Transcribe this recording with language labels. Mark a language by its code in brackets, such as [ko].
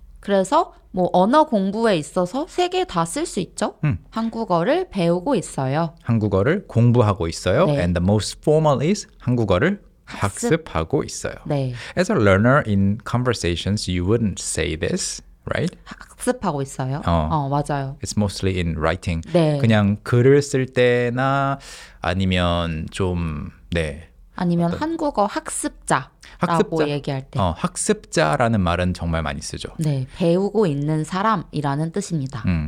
[ko] 그래서 뭐 언어 공부에 있어서 세 개 다 쓸 수 있죠. 한국어를 배우고 있어요. 한국어를 공부하고 있어요. 네. [en] And the most formal is [ko] 한국어를 학습하고 있어요. 네. [en] As a learner in conversations, you wouldn't say this, right? [ko] 학습하고 있어요. 맞아요. [en] It's mostly in writing. [ko] 네. 그냥 글을 쓸 때나 아니면 좀 네. 아니면 어떤, 한국어 학습자라고 학습자? 얘기할 때 학습자라는 말은 정말 많이 쓰죠. 네, 배우고 있는 사람이라는 뜻입니다.